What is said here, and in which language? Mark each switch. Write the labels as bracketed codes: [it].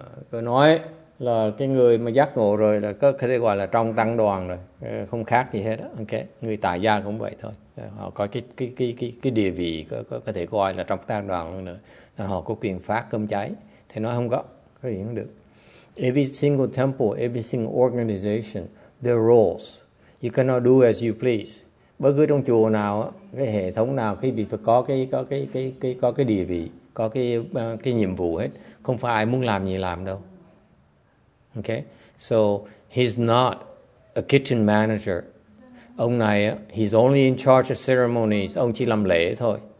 [vi] Tôi nói là cái người mà giác ngộ rồi là có thể gọi là trong tăng đoàn rồi, không khác gì hết. Okay. Người tại gia cũng vậy thôi. Họ có cái địa vị có thể gọi là trong tăng đoàn hơn nữa. Họ có quyền phát cơm cháy. Thì nói không có, cái gì không được. [en] Every single temple, every single organization, their roles, you cannot do as you please. [vi] Bất cứ trong chùa nào, cái hệ thống nào, cái gì phải có cái địa vị, có cái nhiệm vụ hết. Không phải ai muốn làm gì làm đâu. [en] Okay, so he's not a kitchen manager. [vi] Ông này, [en] he's only in charge of ceremonies. [vi] Ông chỉ làm lễ thôi.